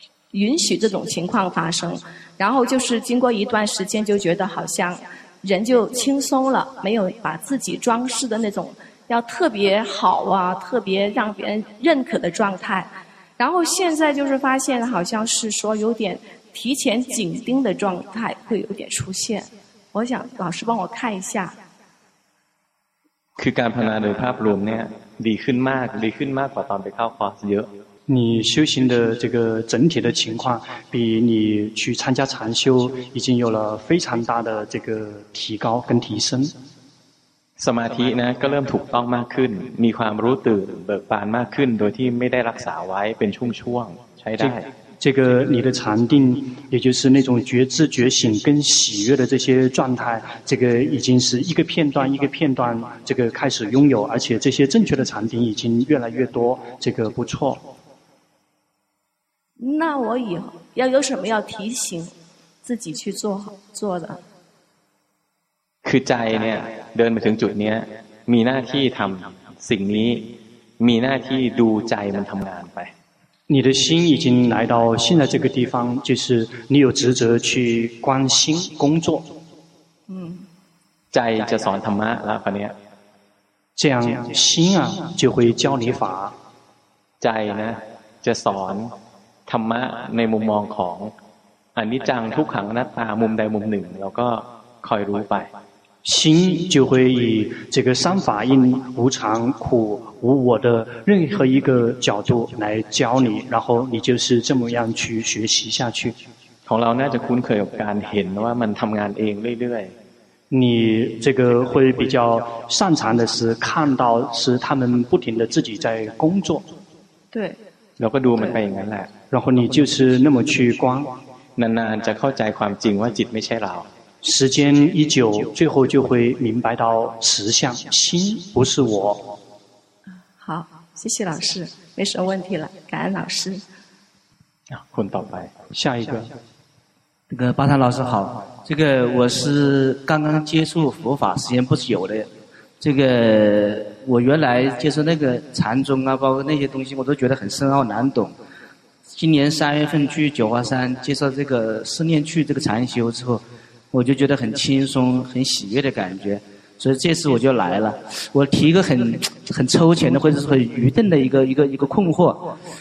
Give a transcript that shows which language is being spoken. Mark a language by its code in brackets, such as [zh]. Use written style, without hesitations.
[zh] 允许这种情况发生然后就是经过一段时间就觉得好像人就轻松了没有把自己装饰的那种要特别好啊特别让别人认可的状态然后现在就是发现好像是说有点提前紧盯的状态会有点出现我想老师帮我看一下 [th] คือการภาวนาโดยภาพรวมเนี่ยดีขึ้นมากดีขึ้นมากกว่าตอนไปเข้าคอร์สเยอะ [zh] 你修行的这个整体的情况比你去参加禅修已经有了非常大的这个提高跟提升 [th] สมาธินะก็เริ่มถูกต้องมากขึ้นมีความรู้ตื่นเบิกบานมากขึ้นโดยที่ไม่ได้รักษาไว้เป็นช่วงๆใช้ได้ [zh] 这个你的禅定也就是那种觉知觉醒跟喜悦的这些状态这个已经是一个片段一个片段这个开始拥有而且这些正确的禅定已经越来越多这个不错那我以后要有什么要提醒自己去做的 [th] คือใจเนี่ยเดินมาถึงจุดเนี้ยมีหน้าที่ทำ สิ่งนี้มีหน้าที่ดูใจมันทำงานไป [zh] 你的心已经来到现在这个地方，就是你有职责去关心工作。嗯。 [th] ใจจะสอนธรรมะแล้วคราวนี้ [zh] 这样心啊就会教你法。 [th] ใจนะจะสอนธรรมะในมุมมองของอนิจจังทุกขังอนัตตามุมใดมุมหนึ่งแล้วก็คอยรู้ไป [zh] 心就会以这个三法印无常苦无我的任何一个角度来教你然后你就是这么样去学习下去 [th] ของเราน่าจะคุ้นเคยกับการเห็นว่ามันทำงานเองเรื่อย [zh] ๆ你这个会比较擅长的是看到是他们不停的自己在工作对 [th] แล้วก็ดูมันไปอย่างนั้นแหละ [zh] 然后你就是那么去观 [th] นานๆจะเข้าใจความจริงว่าจิตไม่ใช่เรา [zh] 时间一久最后就会明白到实相心不是我好谢谢老师没什么问题了感恩老师混到白下一个那个巴塔老师好这个我是刚刚接触佛法时间不久的这个我原来接触那个禅宗啊包括那些东西我都觉得很深奥难懂今年三月份去九华山接受这个思念去这个禅修之后我就觉得很轻松很喜悦的感觉所以这次我就来了我提一个很抽钱的或者是很愚钝的一个困惑